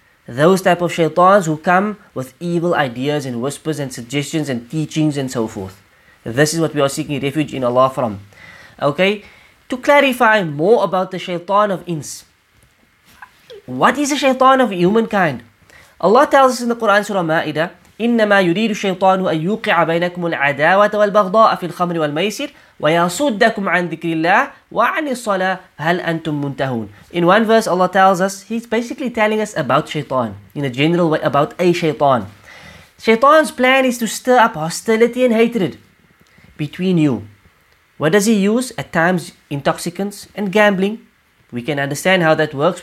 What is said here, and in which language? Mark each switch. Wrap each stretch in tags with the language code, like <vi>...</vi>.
<en>Those type of shaytans who come with evil ideas and whispers and suggestions and teachings and so forth. This is what we are seeking refuge in Allah from. Okay? To clarify more about the shaytan of ins. What is a shaytan of humankind?</en> <ar>Allah tells us in the Quran Surah Ma'idah, إنما يريد الشيطان أن يوقع بينكم العداوة والبغضاء في الخمر والميسر ويصدكم عن ذكر الله وعن الصلاة هل أنتم منتهون.</ar> <en>In one verse Allah tells us, he's basically telling us about shaytan, in a general way about a shaytan. Shaytan's plan is to stir up hostility and hatred between you. What does he use? At times intoxicants and gambling. We can understand how that works.</en>